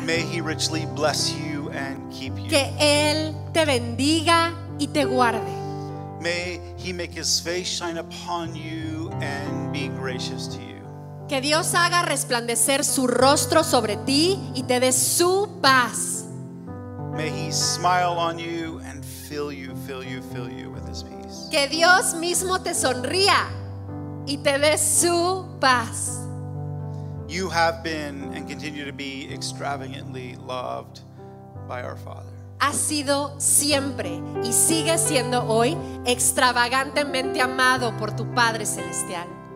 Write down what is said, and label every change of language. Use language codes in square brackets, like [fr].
[en] may He richly bless you and keep you. [es] Que Él te bendiga y te guarde. [en] May He make His face shine upon you and be gracious to you. [es] Que Dios haga resplandecer su rostro sobre ti y te dé su paz. [en] May He smile on you and fill you with His peace. [es] Que Dios mismo te sonría y te dé su paz. [en] You have been and continue to be extravagantly loved by our Father. [es] Has sido siempre y sigue siendo hoy extravagantemente amado por tu Padre Celestial.